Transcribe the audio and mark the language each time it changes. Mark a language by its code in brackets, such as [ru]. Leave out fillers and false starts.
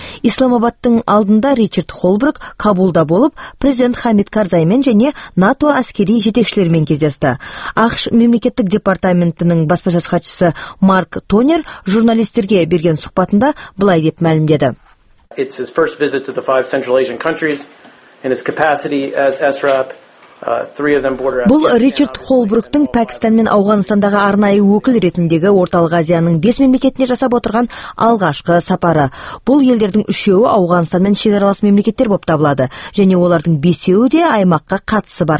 [kk] Исламабадтың алдында Ричард Холбрук Кабулда болып, президент Хамид Карзаймен және НАТО әскери жетекшілерімен кездесті. АХШ мемлекеттік департаментінің баспасөз хатшысы Марк Тонер журналистерге берген сұхбатында былай деп мәлімдеді. [en] It's his first visit to the five Central Asian countries in his capacity as SRAP. [kk] Бұл Ричард Холбруктың Пәкістан мен Ауғанстандағы арнайы өкіл ретіндегі Орталық Азияның 5 мемлекетіне жасап отырған алғашқы сапары. Бұл елдердің үшеуі Ауғанстан мен шекаралас мемлекеттер болып табылады, және олардың бесеуі де аймаққа қатысы бар.